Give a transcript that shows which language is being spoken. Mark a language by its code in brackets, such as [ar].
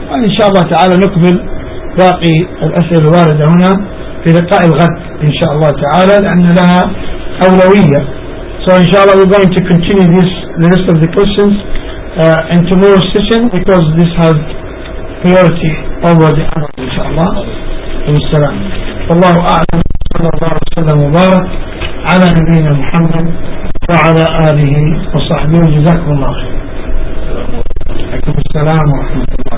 [ar] وإن شاء الله تعالى نكمل باقي الأسئلة الواردة هنا في لقاء الغد إن شاء الله تعالى, لأن لها أولوية. [en] So [ar] إن شاء الله [en] we're going to continue this, the rest of the questions in tomorrow's session, because this has priority over the other, إن شاء الله. [ar] والسلام. والله أعلم, صلى الله عليه وسلم وبارك على نبينا محمد وعلى آله وصحبه, جزاكم الله خير. السلام عليكم ورحمة الله.